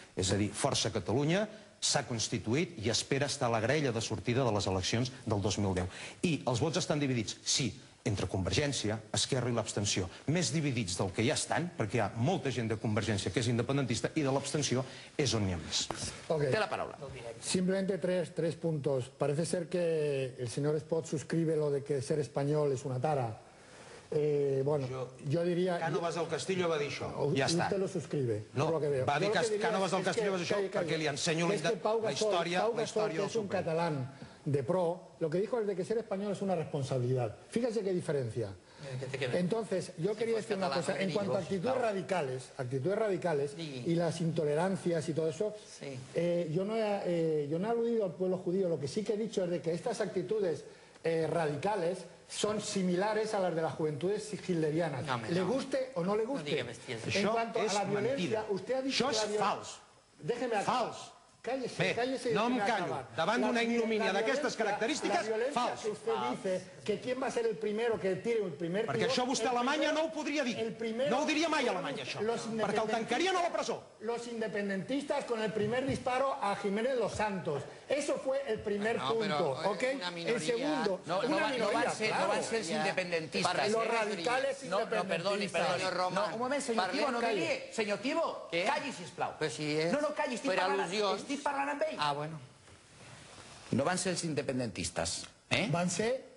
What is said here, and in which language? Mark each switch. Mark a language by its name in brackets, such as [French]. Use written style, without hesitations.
[Catalan] És a dir, Força Catalunya s'ha constituït i espera estar a la graella de sortida de les eleccions del 2010. I els vots estan dividits, sí, entre Convergència, Esquerra i l'abstenció. Més dividits del que ja estan, perquè hi ha molta gent de Convergència que és independentista i de l'abstenció és on n'hi ha més. Okay. Té la paraula. [Spanish] Simplemente tres puntos. Parece ser que el señor Espot suscribe lo de que ser español es una tara. Bueno, yo diría... [Catalan] Cánovas del Castillo va dir això. Ja està. [Spanish] Usted lo suscribe. No, lo que veo. [Catalan] Va dir Cánovas del Castillo va dir això perquè li ensenyo la història del Suprem. [Spanish] Pau Gasol, [Catalan] que és un català de pro, [Spanish] lo que dijo es de que ser español es una responsabilidad. Fíjese qué diferencia. Entonces, yo quería decir una cosa. En cuanto a actitudes radicales y las intolerancias y todo eso, yo no he aludido al pueblo judío. Lo que sí que he dicho es de que estas actitudes radicales son similares a las de las juventudes hitlerianas. Le guste o no le guste. En cuanto a la violencia, usted ha dicho que la violencia... Fals. Cállese. [Catalan] No em callo. Davant d'una ignomínia d'aquestes característiques, fals. [Spanish] La violència que usted dice, que quién va a ser el primero que tire el primer... [Catalan] Perquè això vostè a Alemanya no ho podria dir. No ho diria mai a Alemanya, això. Perquè el tancarien a la presó. [Spanish] Los independentistas con el primer disparo a Jiménez Los Santos. Eso fue el primer punto, ¿ok? El segundo, una minoría, claro. [Catalan] No van ser els independentistes. [Spanish] Los radicales independentistas. [Catalan] No, perdoni, Román. Un moment, senyor Tibo, no calli. Senyor Tibo, calli, sisplau. Però si és... No, calli, estic parlant. Per al·lusió. Estic parlant amb ell. [Spanish] Ah, bueno. [Catalan] No van ser els independentistes, eh? Van ser...